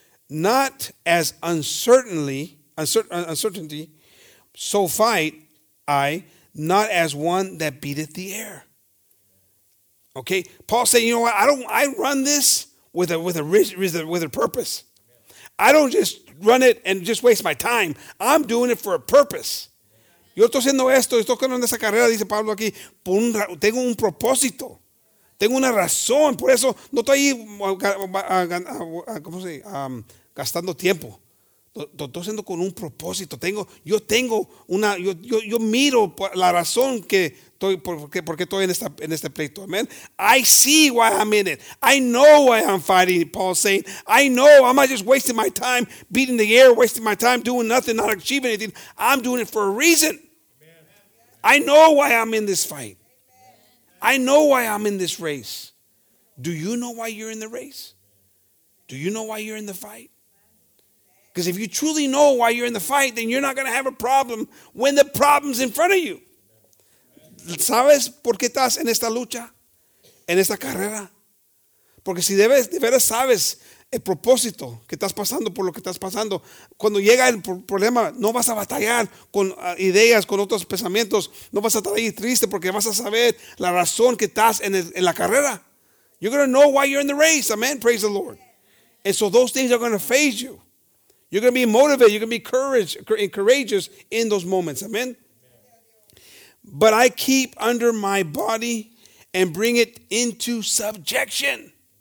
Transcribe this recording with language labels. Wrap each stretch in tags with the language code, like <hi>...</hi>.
<en>Not as uncertainty, so fight I, not as one that beateth the air. Okay, Paul said, you know what? I run this with a purpose. I don't just run it and just waste my time. I'm doing it for a purpose.</en> <es>Yo estoy haciendo esto, estoy corriendo esta carrera, dice Pablo aquí. Tengo un propósito. Tengo una razón. Por eso no estoy ahí. ¿Cómo se dice? Gastando tiempo. Lo estoy haciendo con un propósito. Yo miro la razón que estoy, porque estoy en este pleito.</es> <en>Amen. I see why I'm in it. I know why I'm fighting, Paul's saying. I know I'm not just wasting my time beating the air, wasting my time doing nothing, not achieving anything. I'm doing it for a reason. I know why I'm in this fight. I know why I'm in this race. Do you know why you're in the race? Do you know why you're in the fight? Because if you truly know why you're in the fight, then you're not going to have a problem when the problem's in front of you.</en> <es>¿Sabes por qué estás en esta lucha? En esta carrera. Porque si de veras sabes el propósito que estás pasando por lo que estás pasando, cuando llega el problema, no vas a batallar con ideas, con otros pensamientos. No vas a estar ahí triste porque vas a saber la razón que estás en la carrera.</es> <en>You're going to know why you're in the race. Amen. Praise the Lord. And so those things are going to phase you. You're going to be motivated. You're going to be courageous in those moments. Amen. But I keep under my body and bring it into subjection.</en>